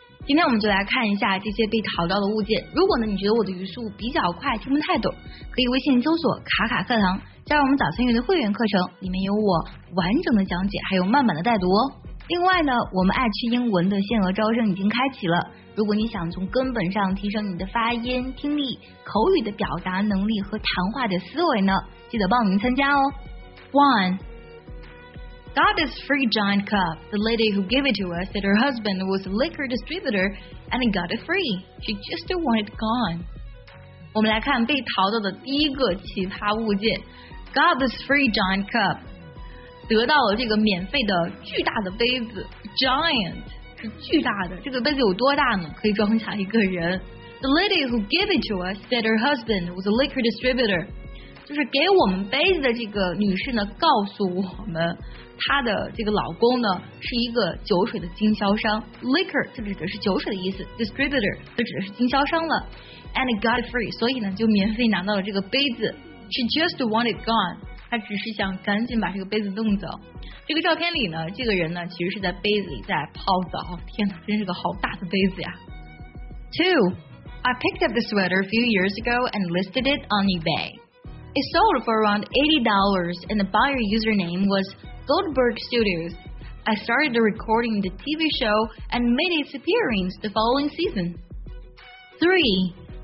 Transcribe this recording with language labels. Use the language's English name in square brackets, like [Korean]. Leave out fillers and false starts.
[Chinese] 今天我们就来看一下这些被淘到的物件。如果呢你觉得我的语速比较快，听不太懂，可以微信搜索卡卡课堂，加入我们早餐阅读会员课程，里面有我完整的讲解，还有慢慢的带读哦。另外呢，我们爱趣英文的限额招生已经开启了，如果你想从根本上提升你的发音、听力、口语的表达能力和谈话的思维呢，记得报名参加哦。 [English] 1. Got this free giant cup. The lady who gave it to us said her husband was a liquor distributor and got it free. She just wanted gone. [Chinese] 我们来看被淘到的第一个奇葩物件。 [English] Got this free giant cup. [Chinese] 得到了这个免费的巨大的杯子 ，giant 是巨大的。这个杯子有多大呢？可以装下一个人。 [English] The lady who gave it to us said her husband was a liquor distributor， [Chinese] 就是给我们杯子的这个女士呢，告诉我们她的这个老公呢是一个酒水的经销商。 Liquor 就指的是酒水的意思 ，distributor 就指的是经销商了。 [English] And got it free， [Chinese] 所以呢就免费拿到了这个杯子。 [English] She just wanted gone。 [Chinese] 他只是想赶紧把这个杯子弄走。这个照片里呢，这个人呢其实是在杯子里在泡澡。天哪，真是个好大的杯子呀。 [English] 2. I picked up the sweater a few years ago and listed it on eBay. It sold for around $80 and the buyer username was Goldberg Studios. I started recording the TV show and made its appearance the following season. 3.